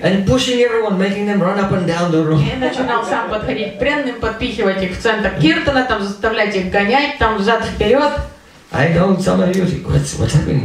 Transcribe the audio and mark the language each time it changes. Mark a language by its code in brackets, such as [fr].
[en] And pushing everyone, making them run up and down the room. [ru] И начинал сам подходить к пленным, подпихивать их в центр киртана, там заставлять их гонять, там взад вперед. [en] I know some of you think, what's happening?